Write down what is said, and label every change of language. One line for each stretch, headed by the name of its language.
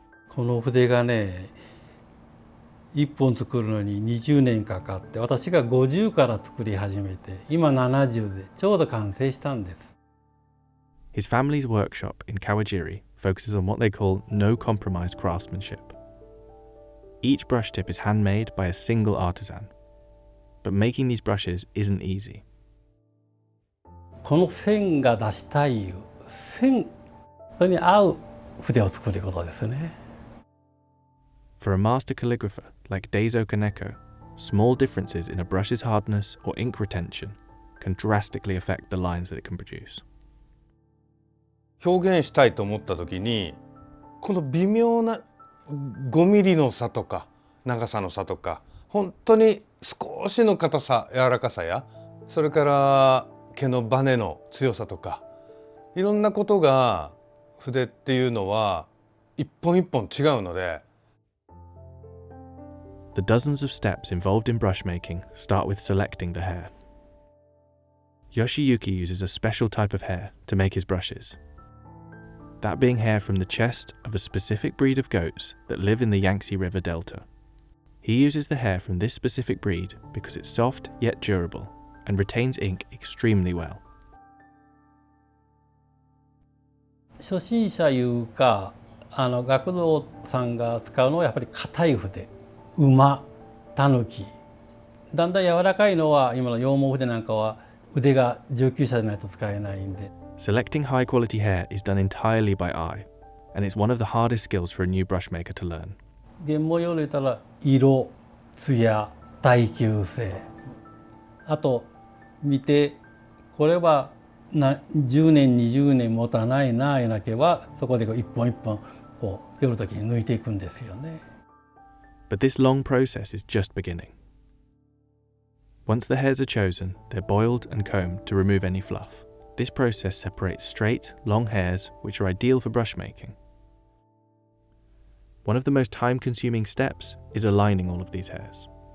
Japanese: この筆がね、一本作るのに20年かかって、私が50から作り始めて、今70でちょうど完成したんです。
English: His family's workshop in Kawajiri focuses on what they call no-compromise craftsmanship. Each brush tip is handmade by a single artisan. But making these brushes isn't easy.
Japanese: この線が出したい線、それに合う筆を作ることですね。
English: For a master calligrapher like Deizo Kaneko, small differences in a brush's hardness or ink retention can drastically affect the lines that it can produce.
Japanese: 表現したいと思った時に、この微妙な5ミリの差とか、長さの差とか、本当に少しの硬さ、柔らかさや、それから毛のバネの強さとか、いろんなことが筆っていうのは一本一本違うので、
English: The dozens of steps involved in brushmaking start with selecting the hair. Yoshiyuki uses a special type of hair to make his brushes. That being hair from the chest of a specific breed of goats that live in the Yangtze River Delta. He uses the hair from this specific breed because it's soft yet durable and retains ink extremely well.
Japanese: 初心者いうか、あの学童さんが使うのはやっぱり硬い筆。馬、タヌキ。だんだん柔らかいのは今の羊毛筆なんかは腕が上級者じゃないと使えないんで。
English: Selecting high quality hair is done entirely by eye, and it's one of the hardest skills for a new brushmaker to learn.
Japanese: 原毛用で言ったら色、艶、耐久性。あと見て、これは10年、20年持たないなぁいなけば、そこで一本一本こう寄るときに抜いていくんですよね。
English: But this long process is just beginning. Once the hairs are chosen, they're boiled and combed to remove any fluff. This process separates straight, long hairs, which are ideal for brush making. One of the most time-consuming steps is aligning all of these hairs.